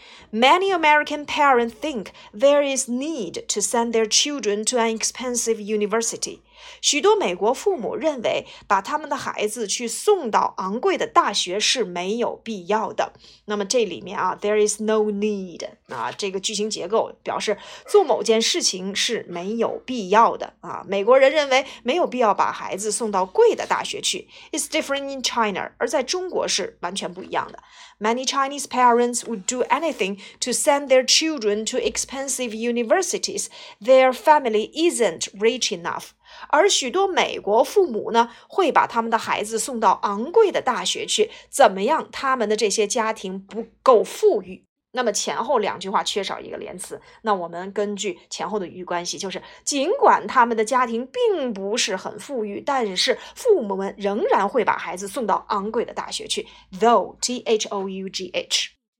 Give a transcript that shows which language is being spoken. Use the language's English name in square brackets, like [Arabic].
[English] Many American parents think there is need to send their children to an expensive university. [Chinese] 许多美国父母认为把他们的孩子去送到昂贵的大学是没有必要的。那么这里面啊 , [English] there is no need, [Chinese] 啊这个句型结构表示做某件事情是没有必要的。啊美国人认为没有必要把孩子送到贵的大学去。 [English] It's different in China, [Chinese] 而在中国是完全不一样的。 [English] Many Chinese parents would do anything to send their children to expensive universities. Their family isn't rich enough. [Chinese] 而许多美国父母呢，会把他们的孩子送到昂贵的大学去。怎么样？他们的这些家庭不够富裕。那么前后两句话缺少一个连词，那我们根据前后的语义关系，就是尽管他们的家庭并不是很富裕，但是父母们仍然会把孩子送到昂贵的大学去 though, T-H-O-U-G-H.